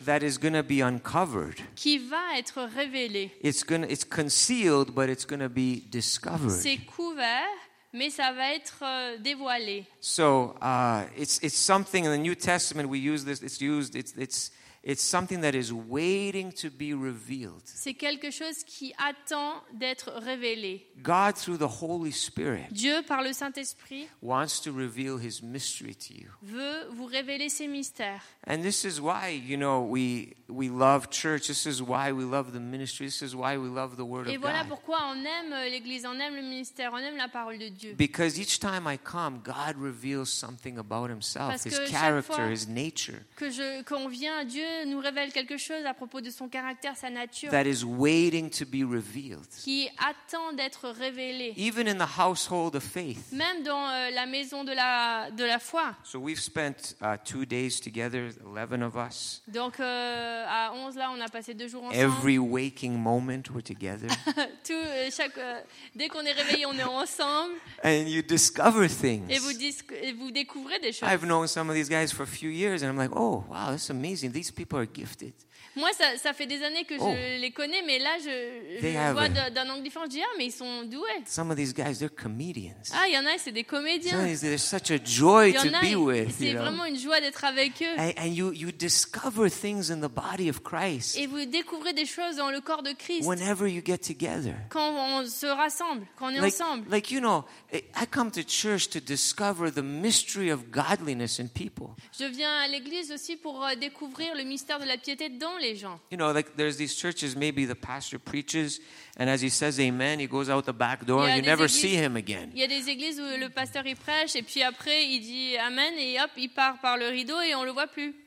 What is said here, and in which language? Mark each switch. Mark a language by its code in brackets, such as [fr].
[en] That is going to be uncovered. [fr] Qui va être révélé. [en] It's concealed, but it's going to be discovered. [fr] C'est couvert, mais ça va être dévoilé. [en] So it's something in the New Testament. We use this. It's used. It's It's something that is waiting to be revealed. [fr] C'est quelque chose qui attend d'être révélé. [en] God through the Holy Spirit. [fr] Dieu par le Saint-Esprit [en] wants to reveal his mystery to you. [fr] Veut vous révéler ses mystères. [en] And this is why, you know, we love church. This is why we love the ministry. This is why we love the word of God. [fr] Et voilà pourquoi on aime l'église, on aime le ministère, on aime la parole de Dieu. [en] Because each time I come, God reveals something about himself, his character, his nature. [fr] Quand on vient, Dieu nous révèle quelque chose à propos de son caractère, sa nature. [en] That is waiting to be revealed. [fr] Qui attend d'être révélé. [en] Even in the household of faith. [fr] Même dans la maison de la foi. [en] So we've spent 2 days together, 11 of us. [fr] Donc à 11 là, on a passé 2 jours ensemble. [en] Every waking moment we're together. [fr] Tout chaque dès qu'on est réveillé, on est ensemble. [en] And you discover things. [fr] Et vous découvrez des choses. [en] I've known some of these guys for a few years and I'm like, "Oh, wow, that's amazing. These people are gifted." [fr] Moi, ça fait des années que je les connais, mais là, je vois d'un angle différent. Je dis, mais ils sont doués. [en] Some of these guys, they're comedians. [fr] Ah, il y en a, c'est des comédiens. [en] Some of these, they're such a joy to be with. [fr] C'est vraiment une joie d'être avec eux. [en] And you discover things in the body of Christ. [fr] Et vous découvrez des choses dans le corps de Christ. [en] Whenever you get together. [fr] Quand on se rassemble, quand on est ensemble. [en] Like, you know, I come to church to discover the mystery of godliness in people. [fr] Je viens à l'église aussi pour découvrir le mystère de la piété dans les gens. [en] You know, like there's these churches, maybe the pastor preaches and as he says amen, he goes out the back door and you never see him again. [fr] Il y a des églises où le pasteur il prêche et puis après il dit amen et hop, il part par le rideau et on le voit plus.